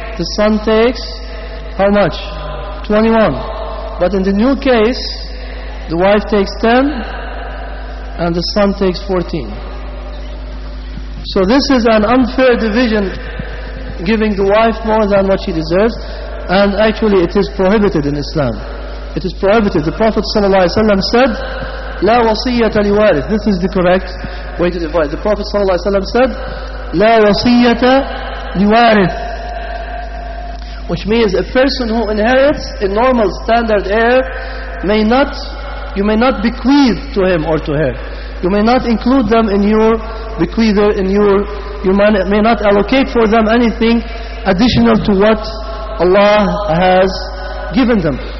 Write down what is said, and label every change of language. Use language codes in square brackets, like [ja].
[en] The son takes how much? 21. But in the new case, the wife takes 10. And the son takes 14. So this is an unfair division, giving the wife more than what she deserves. And actually it is prohibited in Islam. It is prohibited. The Prophet ﷺ said, [ar] لا وصية لوارث. [en] This is the correct way to divide. The Prophet ﷺ said, [ar] لا وصية لوارث, [en] which means a person who inherits a normal standard heir may not, you may not bequeath to him or to her. You may not include them in your bequeather, in your, you may not allocate for them anything additional to what Allah has given them.